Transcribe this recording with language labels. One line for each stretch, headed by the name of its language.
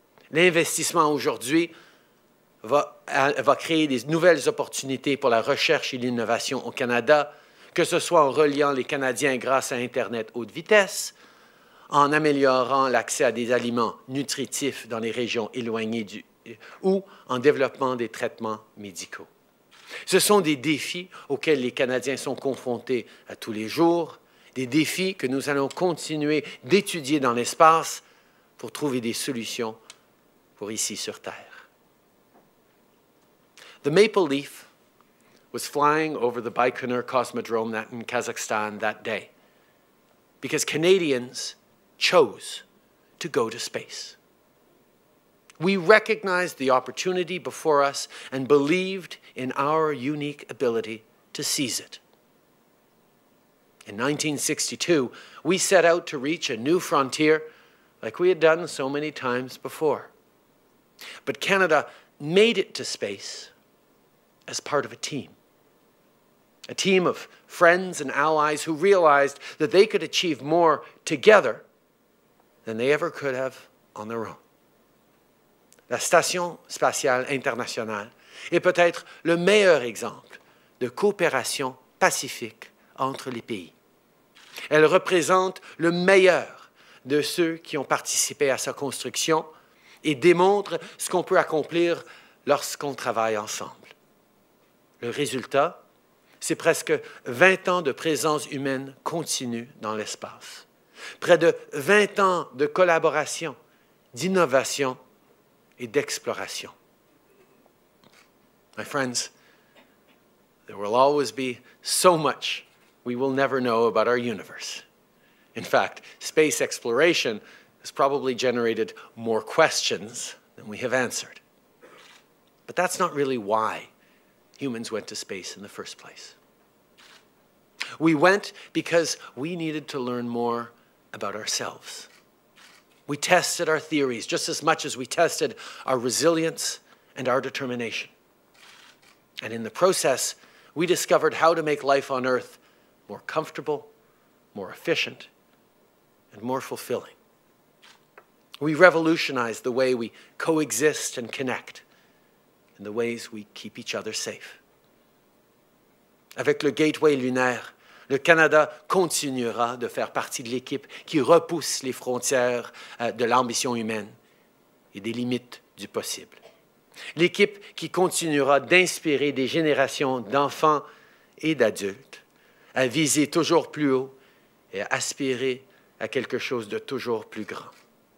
French: L'investissement aujourd'hui va créer des nouvelles opportunités pour la recherche et l'innovation au Canada, que ce soit en reliant les Canadiens grâce à Internet haute vitesse, en améliorant l'accès à des aliments nutritifs dans les régions éloignées ou en développant des traitements médicaux. Ce sont des défis auxquels les Canadiens sont confrontés à tous les jours, des défis que nous allons continuer d'étudier dans l'espace pour trouver des solutions pour ici sur Terre.
English: The Maple Leaf was flying over the Baikonur Cosmodrome in Kazakhstan that day because Canadians chose to go to space. We recognized the opportunity before us and believed in our unique ability to seize it. In 1962, we set out to reach a new frontier like we had done so many times before. But Canada made it to space as part of a team of friends and allies who realized that they could achieve more together than they ever could have on their own.
French: La Station Spatiale Internationale est peut-être le meilleur exemple de coopération pacifique entre les pays. Elle représente le meilleur de ceux qui ont participé à sa construction et démontre ce qu'on peut accomplir lorsqu'on travaille ensemble. Le résultat, c'est presque 20 ans de présence humaine continue dans l'espace. Près de 20 ans de collaboration, d'innovation et d'exploration.
English: My friends, there will always be so much we will never know about our universe. In fact, space exploration has probably generated more questions than we have answered. But that's not really why humans went to space in the first place. We went because we needed to learn more about ourselves. We tested our theories just as much as we tested our resilience and our determination. And in the process, we discovered how to make life on Earth more comfortable, more efficient, and more fulfilling. We revolutionized the way we coexist and connect, and the ways we keep each other safe.
French: Avec le Gateway lunaire, le Canada continuera de faire partie de l'équipe qui repousse les frontières de l'ambition humaine et des limites du possible. L'équipe qui continuera d'inspirer des générations d'enfants et d'adultes à viser toujours plus haut et à aspirer à quelque chose de toujours plus grand.